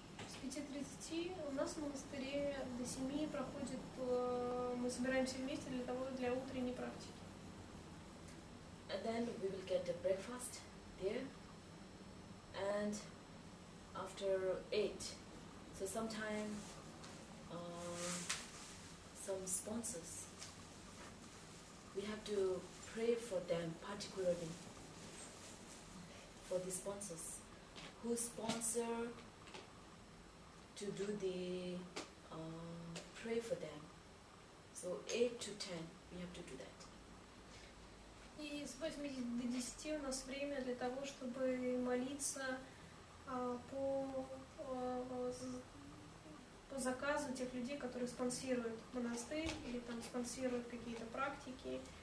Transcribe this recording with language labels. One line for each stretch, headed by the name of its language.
Russian: С 5:30 у нас в монастыре до 7 проходит, мы собираемся вместе для того, для утренней практики.
English: And then we will get the breakfast there. And after 8, so sometime some sponsors, we have to pray for them particularly, for the sponsors. Who sponsor to do the pray for them. So 8 to 10 we have to do that.
Russian: И с 8 до 10 у нас время для того, чтобы молиться по заказу тех людей, которые спонсируют монастырь или там спонсируют какие-то практики.